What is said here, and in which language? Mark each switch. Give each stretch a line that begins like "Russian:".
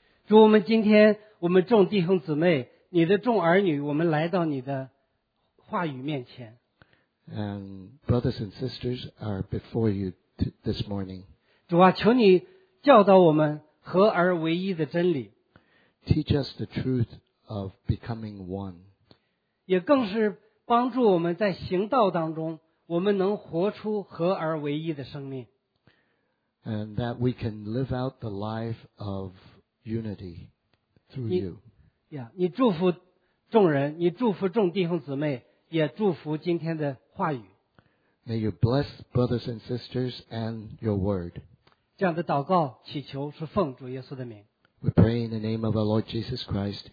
Chinese: 主，我们今天我们众弟兄姊妹，你的众儿女，我们来到你的话语面前。
English: And brothers and sisters are before you this morning.
Chinese: 主啊，求你教导我们合而为一的真理。
English: Teach us the truth of becoming one.
Chinese: 也更是帮助我们在行道当中我们能活出合而为一的生命。
English: And that we can live out the life of unity through you.
Chinese: 你祝福众人，你祝福众弟兄姊妹，也祝福今天的话语。
English: May you bless brothers and sisters and your word.
Chinese: 这样的祷告祈求是奉主耶稣的名。
English: We pray in the name of our Lord Jesus Christ.